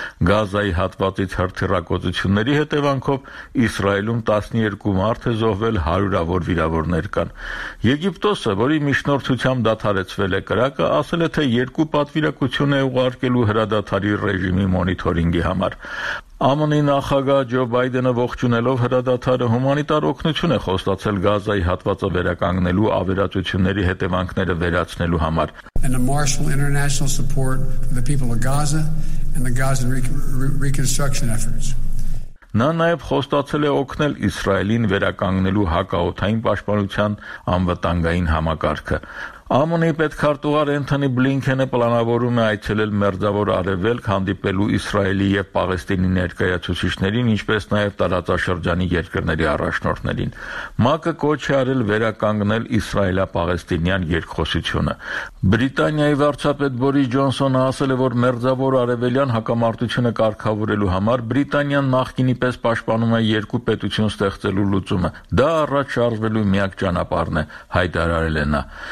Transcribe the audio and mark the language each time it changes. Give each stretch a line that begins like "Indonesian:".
Armenian: Գազայի հատվածից հրթիռակոծությունների հետևանքով Իսրայելում 12 մարդ է զոհվել, հարյուրավոր վիրավորներ կան։ Եգիպտոսը, որի միջնորդությամբ դադարեցվել է կրակը, ասել է, թե երկու պատվիրակություն է ուղարկելու հրադադարի ռեժիմի մոնիթորինգի համար։ ԱՄՆ-ի նախագահ Ջո Բայդենը, ողջունելով հրադադարը, հումանիտար օգնություն է խոստացել Գազայի հատվածը վերականգնելու, ավերածությունների հետևանքները վերացնելու համար։
English: And a marshal international support for the people of Gaza and the Gaza reconstruction efforts.
Armenian: Նա նաև խոստացել է օգնել Իսրայելին վերականգնելու հակաօդային պաշտպանության անվտանգային համակարգը։ ԱՄՆ-ի պետքարտուղար Էնթոնի Բլինքենը պլանավորում է այցելել մերձավոր Արևելք, հանդիպելու Իսրայելի և Պաղեստինի ներկայացուցիչներին, ինչպես նաև տարածաշրջանի երկրների առաջնորդներին։ ՄԱԿ-ը կոչ է արել վերականգնել իսրայելա-պաղեստինյան երկխոսությունը։ Բրիտանիայի վարչապետ Բորիս Ջոնսոնը ասել է, որ մերձավոր Արևելյան հակամարտությունը կարգավորելու համար Բրիտանիան նախկինի պես պաշտպանում է երկու պետություն ստեղծելու լուծումը։ Դա առաջ շարժվելու միակ ճանապարհն է, հայտարարել է նա։